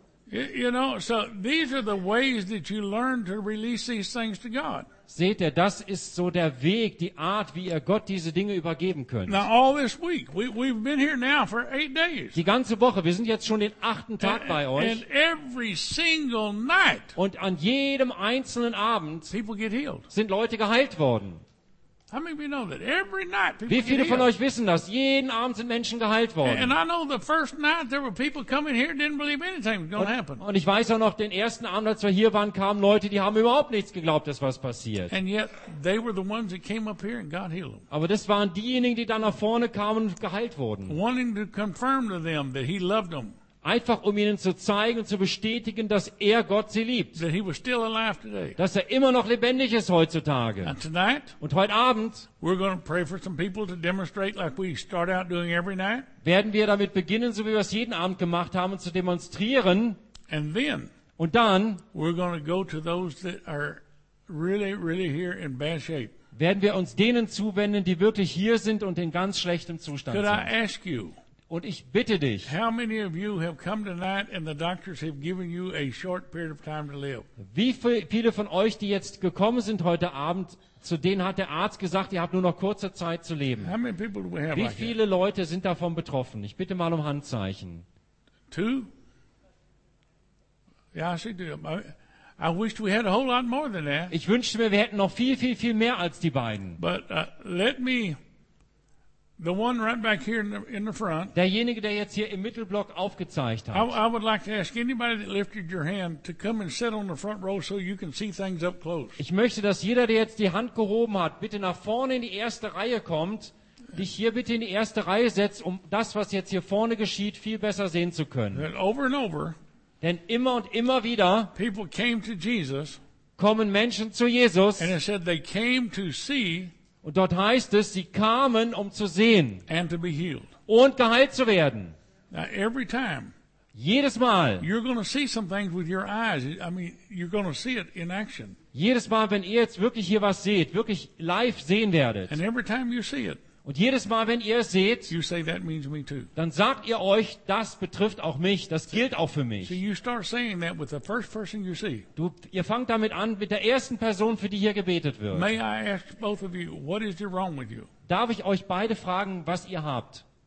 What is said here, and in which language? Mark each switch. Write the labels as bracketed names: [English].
[English] You know, so these are the ways that you learn to release these things to God. [German] Seht ihr, das ist so der Weg, die Art, wie ihr Gott diese Dinge übergeben könnt. [English] Now all this week, we've been here now for 8 days. [German] Die ganze Woche, wir sind jetzt schon den 8. Tag bei euch. [English] And every single night. [German] Und an jedem einzelnen Abend. [English] People get healed. [German] Sind Leute geheilt worden. [English] How many of you know that every night people [German] Wie viele von euch wissen das? Jeden Abend sind Menschen geheilt worden. [English] And I know the first night there were people coming here didn't believe anything was going to happen. [German] Und ich weiß auch noch den ersten Abend, als wir hier waren, kamen Leute, die haben überhaupt nichts geglaubt, dass was passiert. [English] And yet they were the ones that came up here and God healed them. [German] Aber das waren diejenigen, die dann nach vorne kamen und geheilt wurden. [English] Wanting to confirm to them that He loved them. [German] Einfach um ihnen zu zeigen und zu bestätigen, dass er Gott sie liebt. [English] That he was still alive today. [German] Dass er immer noch lebendig ist heutzutage. [English] And tonight, [German] und heute Abend [English] we're going to pray for some people to demonstrate like we start out doing every night. [German] Werden wir damit beginnen, so wie wir es jeden Abend gemacht haben, zu demonstrieren. [English] And then, [German] und dann [English] we're going to go to those that are really, really here in bad shape. [German] Werden wir uns denen zuwenden, die wirklich hier sind und in ganz schlechtem Zustand [English] Could [German] sind. [English] I ask you, [German] und ich bitte dich, [English] how many of you have come tonight and the doctors have given you a short period of time to live? [German] Wie viele von euch, die jetzt gekommen sind heute Abend, zu denen hat der Arzt gesagt, ihr habt nur noch kurze Zeit zu leben? [English] How many people do we have? [German] Wie viele Leute sind davon betroffen? Ich bitte mal um Handzeichen. [English] Two? Yeah, I see two. I wished we had a whole lot more than that. [German] Ich wünschte mir, wir hätten noch viel, viel, viel mehr als die beiden. [English] But let me. The one right back here in the front. [German] Derjenige, der jetzt hier im Mittelblock aufgezeigt hat. [English] I would like to ask anybody that lifted your hand to come and sit on the front row so you can see things up close. [German] Ich möchte, dass jeder, der jetzt die Hand gehoben hat, bitte nach vorne in die erste Reihe kommt, dich hier bitte in die erste Reihe setzt, um das, was jetzt hier vorne geschieht, viel besser sehen zu können. [English] That over and over. [German] Denn immer und immer wieder. [English] People came to Jesus. [German] Kommen Menschen zu Jesus. [English] And it said they came to see. [German] Und dort heißt es, sie kamen, um zu sehen [English] and to be healed. [German] Und geheilt zu werden. [English] Now, every time, [German] jedes Mal, [English] you're going to see some things with your eyes. I mean, you're going to see it in action. [German] Jedes Mal, wenn ihr jetzt wirklich hier was seht, wirklich live sehen werdet. [English] And every time you see it, [German] und jedes Mal, wenn ihr es seht, [English] you say, that means me too. [German] Dann sagt ihr euch, das betrifft auch mich, das gilt auch für mich. [English] So you start saying that with the first person you see. [German] Ihr fangt damit an, mit der ersten Person, für die hier gebetet wird. [English] May I ask both of you, what is wrong with you? [German] Darf ich euch beide fragen, was ihr habt?